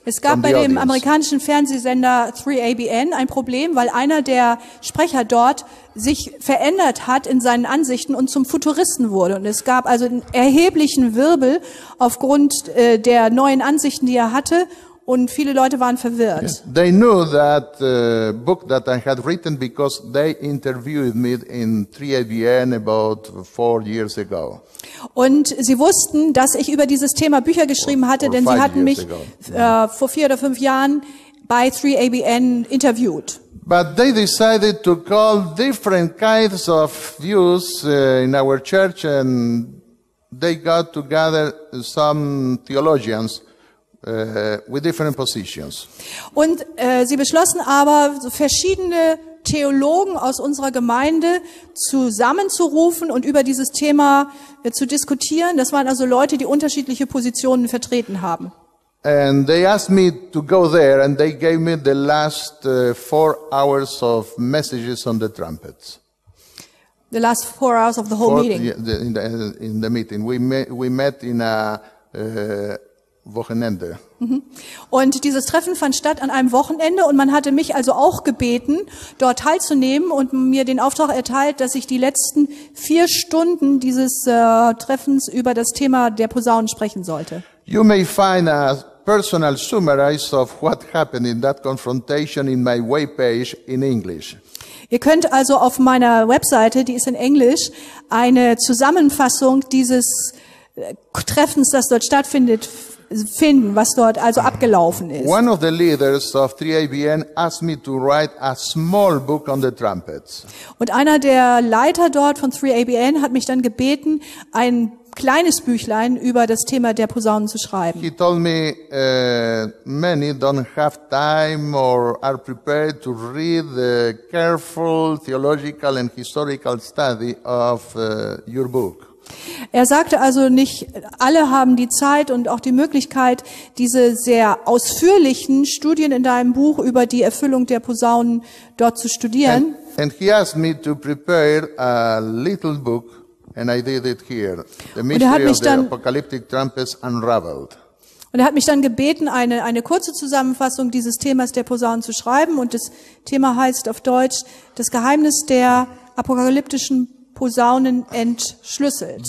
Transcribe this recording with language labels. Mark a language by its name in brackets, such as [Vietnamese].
[German] Es gab bei dem amerikanischen Fernsehsender 3ABN ein Problem, weil einer der Sprecher dort sich verändert hat in seinen Ansichten und zum Futuristen wurde. Und es gab also einen erheblichen Wirbel aufgrund der neuen Ansichten, die er hatte, und viele Leute waren verwirrt. [English] Yes. They knew that book that I had written, because they interviewed me in 3ABN about 4 years ago. [German] Und sie wussten, dass ich über dieses Thema Bücher geschrieben hatte, denn sie hatten mich vor 4 oder 5 Jahren bei 3ABN interviewt. [English] But they decided to call different kinds of views in our church, and they got together some theologians with different positions. [German] Und sie beschlossen aber, verschiedene Theologen aus unserer Gemeinde zusammenzurufen und über dieses Thema zu diskutieren. Das waren also Leute, die unterschiedliche Positionen vertreten haben. [English] And they asked me to go there, and they gave me the last 4 hours of messages on the trumpets. The last 4 hours of the whole meeting. In the meeting. We met in a [German] Wochenende. Und dieses Treffen fand statt an einem Wochenende, und man hatte mich also auch gebeten, dort teilzunehmen, und mir den Auftrag erteilt, dass ich die letzten 4 Stunden dieses Treffens über das Thema der Posaunen sprechen sollte. [English] You may find a personal summary of what happened in that confrontation in my webpage in English. [German] Ihr könnt also auf meiner Webseite, die ist in Englisch, eine Zusammenfassung dieses Treffens, das dort stattfindet, finden, was dort also abgelaufen ist. [English] One of the leaders of 3ABN asked me to write a small book on the trumpets. [German] Und einer der Leiter dort von 3ABN hat mich dann gebeten, ein kleines Büchlein über das Thema der Posaunen zu schreiben. [English] He told me many don't have time or are prepared to read the careful theological and historical study of your book. [German] Er sagte also, nicht alle haben die Zeit und auch die Möglichkeit, diese sehr ausführlichen Studien in deinem Buch über die Erfüllung der Posaunen dort zu studieren. [English] And he asked me to prepare a little book. And I did it here. The mystery of the apocalyptic trumpets unraveled. [German] Und er hat mich dann gebeten, eine kurze Zusammenfassung dieses Themas der Posaunen zu schreiben. Und das Thema heißt auf Deutsch: Das Geheimnis der apokalyptischen Posaunen entschlüsselt.